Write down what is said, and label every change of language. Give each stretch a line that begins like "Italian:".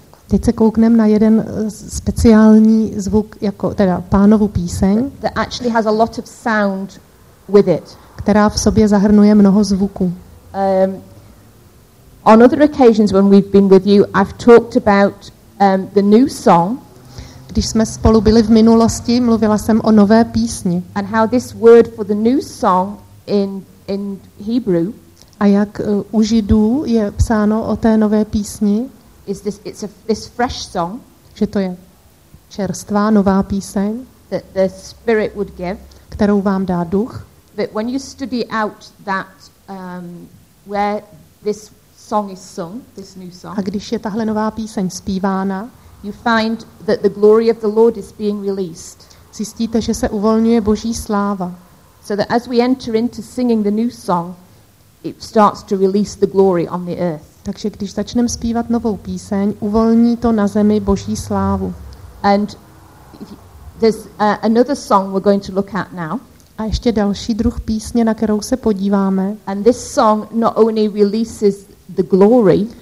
Czech: Teď se kouknem na jeden speciální zvuk, jako teda Pánovu píseň.
English: That actually has a lot of sound with it.
Czech: Která v sobě zahrnuje mnoho zvuků.
English: On other occasions when we've been with you, I've talked about the new song.
Czech: Když jsme spolu byli v minulosti, mluvila jsem o nové písni.
English: And how this word for the new song in Hebrew.
Czech: A jak u Židů je psáno o té nové písni?
English: Is this, it's a, this fresh song,
Czech: že to je čerstvá nová píseň,
English: that the Spirit would give,
Czech: kterou vám dá duch.
English: But when you study out that where this song is sung, this new song,
Czech: a když je tahle nová píseň zpívána,
English: you find that the glory of the Lord is being released.
Czech: Zjistíte, že se uvolňuje Boží sláva.
English: So that as we enter into singing the new song, it starts to release the glory on the earth.
Czech: Takže když začneme zpívat novou píseň, uvolní to na zemi Boží slávu.
English: And there's another song we're going to look at now.
Czech: A ještě další druh písně, na kterou se podíváme.
English: And this song not only releases the glory,